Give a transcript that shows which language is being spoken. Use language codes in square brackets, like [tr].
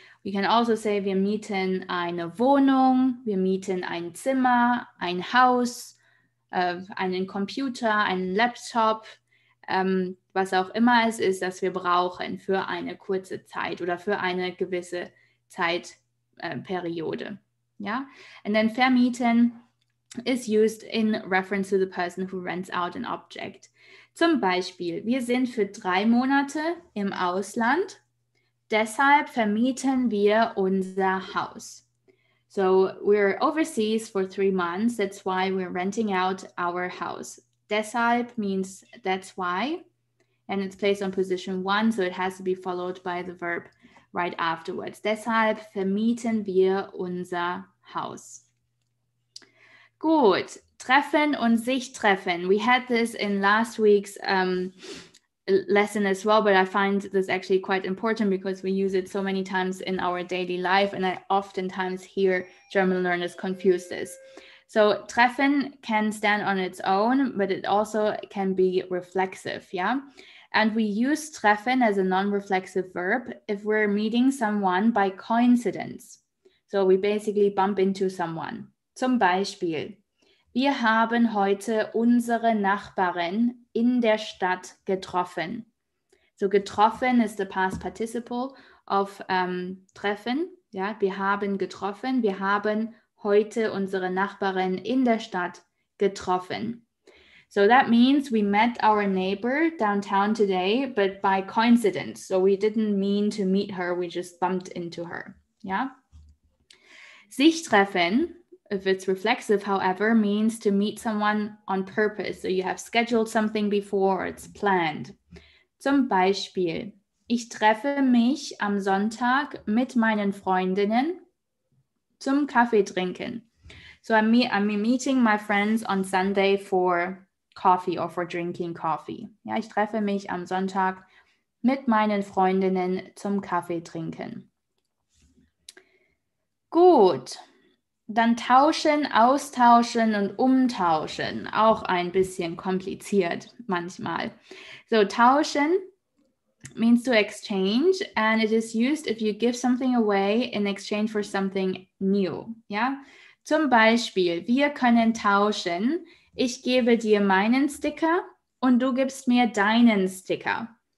[en] We can also say, [de] wir mieten eine Wohnung, wir mieten ein Zimmer, ein Haus, einen Computer, einen Laptop, was auch immer es ist, das wir brauchen für eine kurze Zeit oder für eine gewisse Zeitperiode. Ja? [en] And then vermieten is used in reference to the person who rents out an object. [de] Zum Beispiel, wir sind für 3 Monate im Ausland. Deshalb vermieten wir unser Haus. [en] So we're overseas for 3 months. That's why we're renting out our house. Deshalb means that's why. And it's placed on position one, so it has to be followed by the verb right afterwards. [de] Deshalb vermieten wir unser Haus. Gut. Treffen und sich treffen. [en] We had this in last week's lesson as well, but I find this actually quite important because we use it so many times in our daily life and I oftentimes hear German learners confuse this. So treffen can stand on its own, but it also can be reflexive, yeah? And we use treffen as a non-reflexive verb if we're meeting someone by coincidence. So we basically bump into someone. [de] Zum Beispiel, wir haben heute unsere Nachbarin in der Stadt getroffen. [en] So getroffen is the past participle of treffen. [de] Ja, wir haben getroffen. Wir haben heute unsere Nachbarin in der Stadt getroffen. [en] So that means we met our neighbor downtown today, but by coincidence. So we didn't mean to meet her. We just bumped into her. Ja? [de] Sich treffen. [en] If it's reflexive, however, means to meet someone on purpose. So you have scheduled something before, it's planned. [de] Zum Beispiel, ich treffe mich am Sonntag mit meinen Freundinnen zum Kaffee trinken. [en] So I'm meeting my friends on Sunday for coffee or for drinking coffee. [de] Ja, ich treffe mich am Sonntag mit meinen Freundinnen zum Kaffee trinken. Gut. Dann tauschen, austauschen und umtauschen. Auch ein bisschen kompliziert manchmal. [en] So, tauschen means to exchange and it is used if you give something away in exchange for something new. [de] Ja? Zum Beispiel, wir können tauschen. Ich gebe dir meinen Sticker und du gibst mir deinen Sticker.